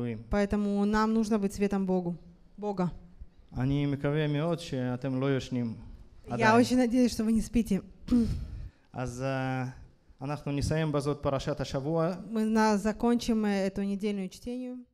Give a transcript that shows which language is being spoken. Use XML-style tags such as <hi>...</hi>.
<ru>Поэтому нам нужно быть светом Богу, Бога.</ru> <he>אני מקווה מאוד שאתם לא ישנים.</he> <ru>Я очень надеюсь, что вы не спите.</ru> <he>אז אנחנו נסיים בזאת פרשת השבוע.</he> <ru>Мы закончим эту недельную чтение.</ru>